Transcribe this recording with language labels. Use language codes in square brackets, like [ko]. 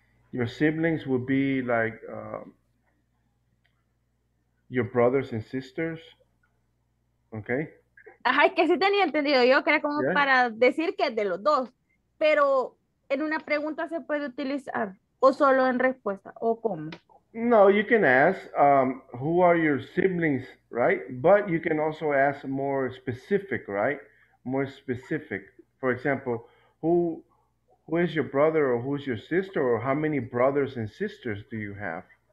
[en] Your siblings would be like your brothers and sisters, okay? [es] Ajá, que sí tenía entendido yo, que era como yeah. Para decir que de los dos, pero en una pregunta se puede utilizar, o solo en respuesta, o cómo? [en] No, you can ask who are your siblings, right? But you can also ask more specific, right? More specific. For example, Who is your brother or who's your sister or how many brothers and sisters do you have?